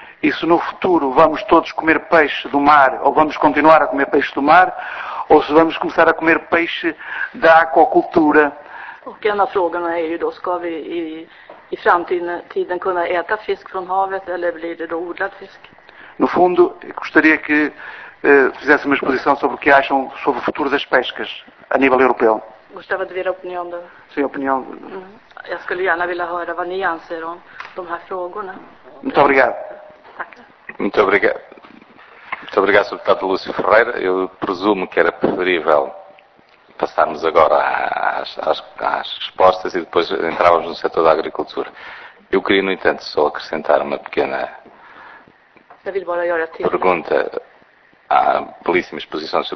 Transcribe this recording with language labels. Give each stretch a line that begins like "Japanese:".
Portuguese: E se no futuro vamos todos comer peixe do mar, ou vamos continuar a comer peixe do mar, ou se vamos começar a comer peixe da aquacultura.
Swedish: Och en av frågorna är ju då, ska vi i framtiden kunna äta fisk från havet eller blir det då odlad fisk?
Portuguese: No fundo, gostaria que fizesse uma exposição sobre o que acham sobre o futuro das pescas a nível europeu. Gostava de ver a opinião da... Sim, a opinião.
Swedish: Jag skulle gärna vilja höra vad ni anser om de här frågorna.
Portuguese: Muito obrigado. Muito obrigado. Muito obrigado, Sr. Deputado Lúcio Ferreira. Eu presumo que era preferível passarmos agora às respostas e depois entrávamos no setor da agricultura. Eu queria, no entanto, só acrescentar uma pequena pergunta à belíssima exposição do Sr.